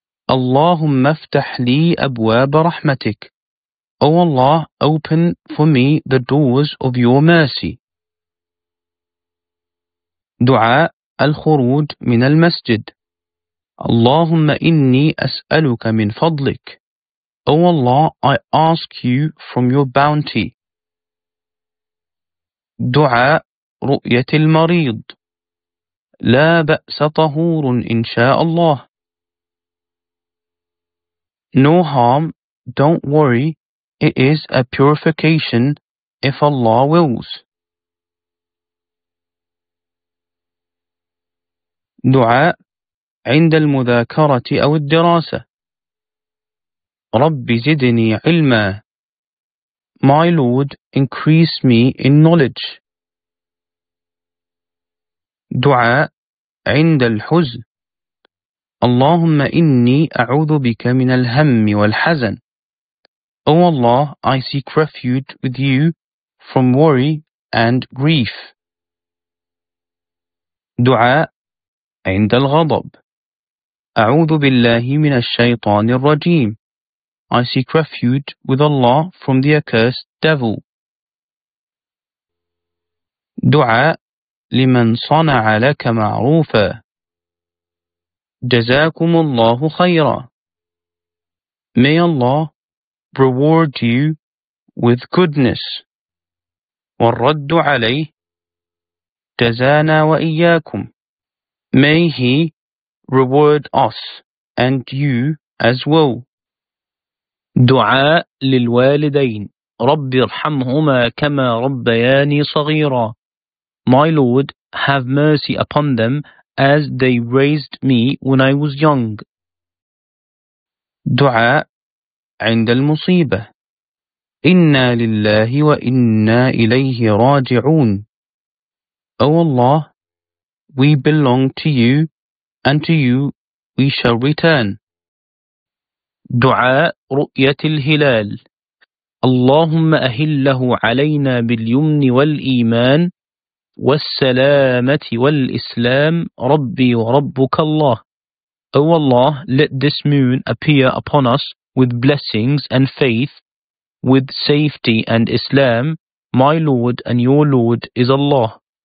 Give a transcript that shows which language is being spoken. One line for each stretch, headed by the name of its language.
Arabic: اللهم افتح لي أبواب رحمتك.
English: O Allah, open for me the doors of your mercy.
Arabic: دعاء الخروج من المسجد. اللهم إني أسألك من فضلك.
English: O Allah, I ask you from your bounty.
Arabic: دعاء رؤية المريض. لا بأس طهور إن شاء الله.
English: No harm, don't worry, it is a purification if Allah wills.
Arabic: دعاء عند المذاكرة أو الدراسة. رب زدني علما.
English: My Lord, increase me in knowledge.
Arabic: دعاء عند الحزن. اللهم إني أعوذ بك من الهم والحزن.
English: O Allah, I seek refuge with you from worry and grief.
Arabic: دعاء عند الغضب. أعوذ بالله من الشيطان الرجيم.
English: I seek refuge with Allah from the accursed devil.
Arabic: دعاء لمن صنع لك معروفا. جزاكم الله خيرا.
English: May Allah reward you with goodness.
Arabic: والرد عليه. جزانا وإياكم.
English: May he reward us and you as well.
Arabic: دعاء للوالدين. رب ارحمهما كما ربياني صغيرا.
English: My Lord, have mercy upon them as they raised me when I was young.
Arabic: دعاء عند المصيبة. إنا لله وإنا إليه راجعون.
English: O Allah, we belong to you and to you we shall return.
Arabic: دعاء رؤية الهلال. اللهم أهله علينا باليمن والإيمان والسلامة والإسلام ربي وربك الله.
English: O Allah, let this moon appear upon us with blessings and faith, with safety and Islam. My Lord and your Lord is Allah.